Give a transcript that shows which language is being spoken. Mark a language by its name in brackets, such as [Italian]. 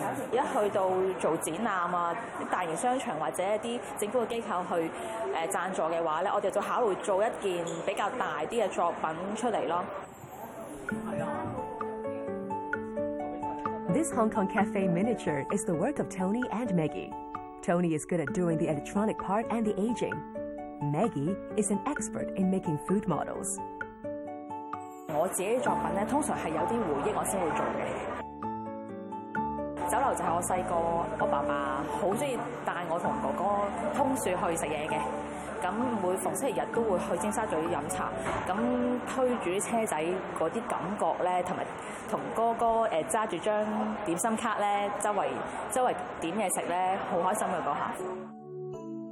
[Cantonese] 一去到做展覽啊，啲大型商場或者一啲政府嘅機構去贊助嘅話咧，我哋就考慮做一件比較大啲嘅作品出嚟咯。 [English] This Hong Kong Cafe miniature is the work of Tony and Maggie. Tony is good at doing the electronic part and the aging. Maggie is an expert in making food models. [Cantonese] 我自己的作品通常是有些回憶我才會做的。酒樓就是我小個，我爸爸很喜歡帶我和哥哥通宵去吃東西的，每逢星期日都會去尖沙咀喝茶，推著車仔那些感覺呢，還有跟哥哥拿著張點心卡呢，周圍點東西吃呢，很開心的那一刻。